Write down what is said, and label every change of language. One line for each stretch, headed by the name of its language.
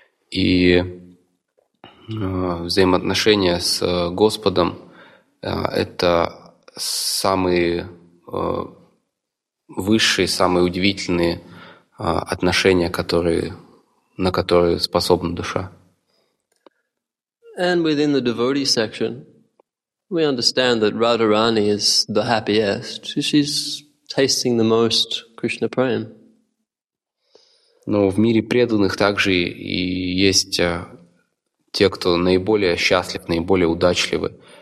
Russian: И взаимоотношения с Господом — это самые высшие, самые удивительные отношения, на которые способна душа.
English: And within the devotee section, we understand that Radharani is the happiest. She's tasting the most Krishna Prema.
Russian: Но в мире преданных также и есть те, кто наиболее счастлив, наиболее удачливы.